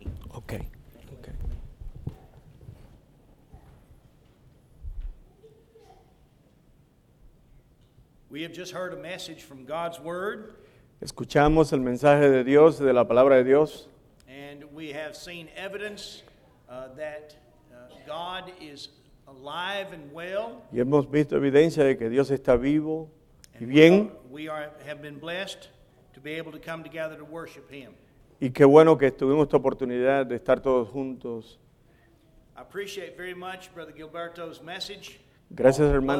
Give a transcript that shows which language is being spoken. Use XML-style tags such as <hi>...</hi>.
<en>Okay. Okay. We have just heard a message from God's word.</en> <es>Escuchamos el mensaje de Dios, de la palabra de Dios.</es> <en>And we have seen evidence that God is alive and well.</en> <es>Y hemos visto evidencia de que Dios está vivo y bien.</es> <en>Have been blessed to be able to come together to worship him.</en> <es>Y qué bueno que tuvimos esta oportunidad de estar todos juntos.</es> <en>I appreciate very much Brother Gilberto's message.</en> <es>Gracias, hermano.</es>